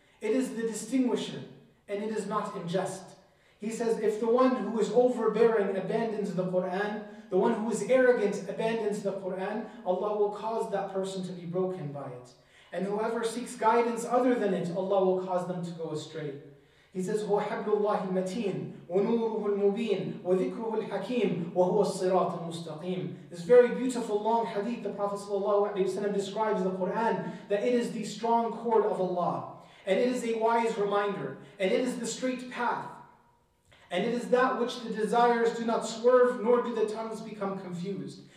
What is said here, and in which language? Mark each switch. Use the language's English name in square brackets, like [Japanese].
[English] It is the distinguisher, and it is not in jest. He says, if the one who is overbearing abandons the Qur'an, the one who is arrogant abandons the Qur'an, Allah will cause that person to be broken by it. And whoever seeks guidance other than it, Allah will cause them to go astray. [Arabic] He says, هو حبل الله المتين ونوره المبين وذكره الحكيم وهو الصراط المستقيم. [English] This very beautiful long hadith, the Prophet ﷺ describes the Qur'an, that it is the strong cord of Allah, and it is a wise reminder, and it is the straight path, and it is that which the desires do not swerve, nor do the tongues become confused.